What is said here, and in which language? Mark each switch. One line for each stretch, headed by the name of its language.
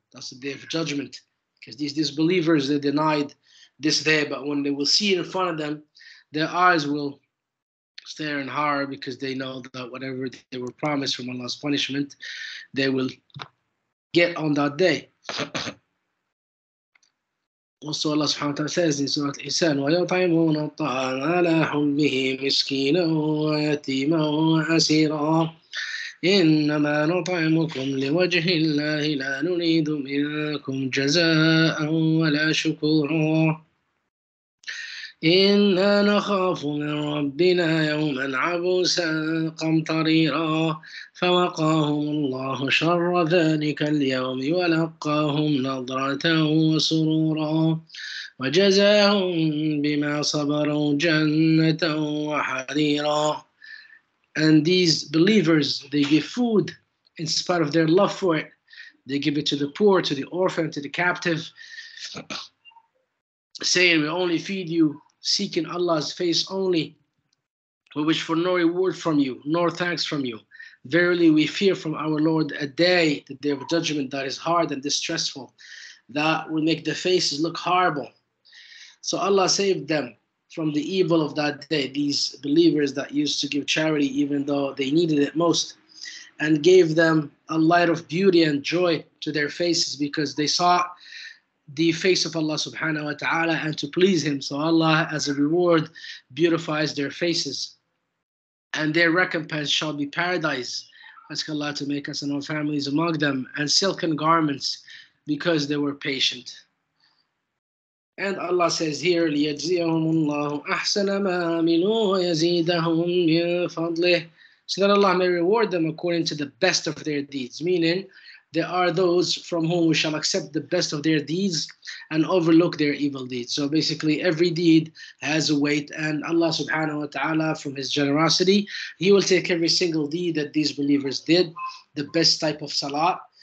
English: That's the day of judgment. Because these disbelievers, they denied this day. But when they will see it in front of them, their eyes will stare in horror because they know that whatever they were promised from Allah's punishment, they will get on that day. Also, Allah subhanahu wa ta'ala says in Surah Al-Isan,
Arabic: وَيَطْعِمُونَ الطَّعَامَ عَلَى حُبِّهِ مِسْكِينًا وَيَتِيمًا وَأَسِيرًا إنما نطعمكم لوجه الله لا نريد منكم جزاء ولا شكورا إنا نخاف من ربنا يوما عبوسا قمطريرا فوقاهم الله شر ذلك اليوم ولقاهم نضرة وسرورا وجزاهم بما صبروا جنة وحريرا.
English: And these believers, they give food in spite of their love for it. They give it to the poor, to the orphan, to the captive, saying, we only feed you, seeking Allah's face only. We wish for no reward from you, nor thanks from you. Verily, we fear from our Lord a day, the day of judgment, that is hard and distressful, that will make the faces look horrible. So Allah saved them from the evil of that day, these believers that used to give charity even though they needed it most, and gave them a light of beauty and joy to their faces because they saw the face of Allah subhanahu wa ta'ala and to please Him. So Allah, as a reward, beautifies their faces, and their recompense shall be paradise. Ask Allah to make us and our families among them, and silken garments because they were patient. And Allah says here,
Arabic: لِيَجْزِيَهُمُ اللَّهُ أَحْسَنَ مَا عَمِلُوا وَيَزِيدَهُمْ مِنْ فَضْلِهِ.
English: So that Allah may reward them according to the best of their deeds. Meaning, there are those from whom we shall accept the best of their deeds and overlook their evil deeds. So basically, every deed has a weight. And Allah subhanahu wa ta'ala, from His generosity, He will take every single deed that these believers did, the best type of salat.